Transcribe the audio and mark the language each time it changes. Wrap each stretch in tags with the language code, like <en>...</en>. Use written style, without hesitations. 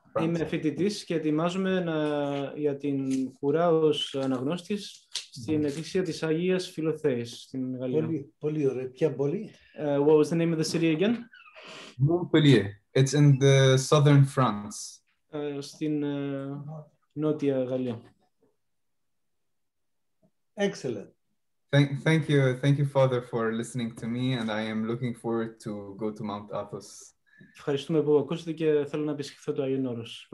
<el>Είμαι φοιτητής και ετοιμάζομαι για την κουρά ως αναγνώστης στην Εκκλησία της Αγίας Φιλοθέης στην Γαλλία. Πολύ ωραία. Ποια πόλη?</el> <en>What was the name of the city again? Montpellier. It's in the southern France.</en> <el>Στην νότια Γαλλία.</el> <en>Excellent. Thank you, Father, for listening to me, and I am looking forward to go to Mount Athos.</en> <el>Ευχαριστούμε που ακούσατε και θέλω να επισκεφθώ το Άγιον Όρος.</el>